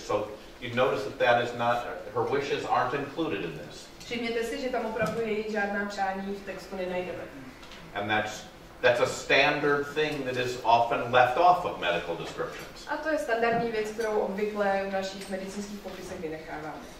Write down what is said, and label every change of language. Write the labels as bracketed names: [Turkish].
[English] So you notice that is not, her wishes aren't included in this. [Czech] Všimněte si, že tam opravdu její žádná přání v textu nenajdeme. [English] And that's a standard thing that is often left off of medical descriptions. [Czech] A to je standardní věc, kterou obvykle v našich medicínských popisech vynecháváme.